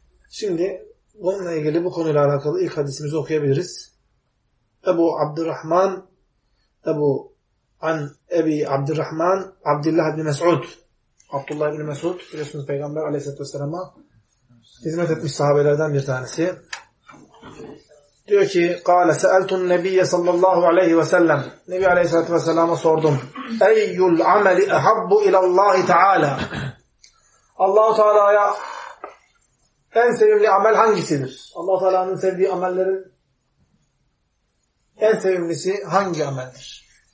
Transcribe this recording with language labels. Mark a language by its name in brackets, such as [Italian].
[Turkish] Şimdi bununla ilgili, bu konuyla alakalı ilk hadisimizi okuyabiliriz. Ebu Abdurrahman, Ebu An Ebi Abdurrahman, Abdullah bin Mes'ud. Abdullah bin Mes'ud, biliyorsunuz Peygamber aleyhisselatü vesselam'a hizmet etmiş sahabelerden bir tanesi. [Arabic] Diyor ki, قَالَ سَأَلْتُ النَّبِيَّ صَلَّى اللّٰهُ عَلَيْهِ وَسَلَّمْ [Turkish] Nebi Aleyhisselatü Vesselam'a sordum. [Arabic] اَيُّ الْعَمَلِ اَحَبُّ اِلَى اللّٰهِ تَعَالَى [Turkish] Allah-u Teala'ya en sevimli amel hangisidir? Allah-u Teala'nın sevdiği amellerin en sevimlisi hangi ameldir?